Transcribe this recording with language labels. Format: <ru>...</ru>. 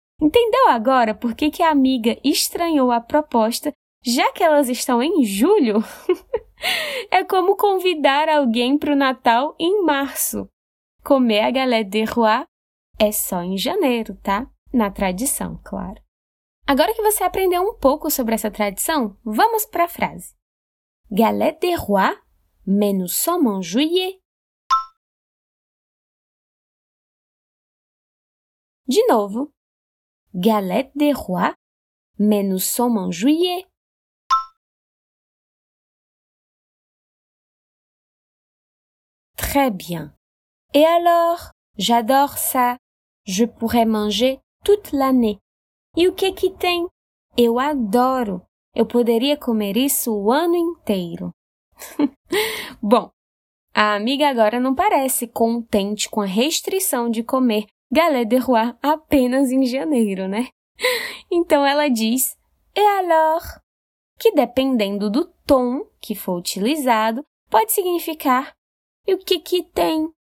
<pt>Entendeu agora por que a amiga estranhou a proposta, já que elas estão em julho? É como convidar alguém para o Natal em março. Comer a galette des rois é só em janeiro, tá? Na tradição, claro. Agora que você aprendeu um pouco sobre essa tradição, vamos para a frase.</pt> <fr>Galette des rois, mais nous sommes en juillet. De novo. Galette des rois, mais nous sommes en juillet. Très bien. Et alors, j'adore ça. Je pourrais manger toute l'année.</fr> <pt>E o que que tem? Eu adoro. Eu poderia comer isso o ano inteiro. Bom, a amiga agora não parece contente com a restrição de comer galette des rois apenas em janeiro, né? Então ela diz,</pt> <fr>et alors?</fr> <pt>Que dependendo do tom que for utilizado, pode significar, e o que que tem?</pt>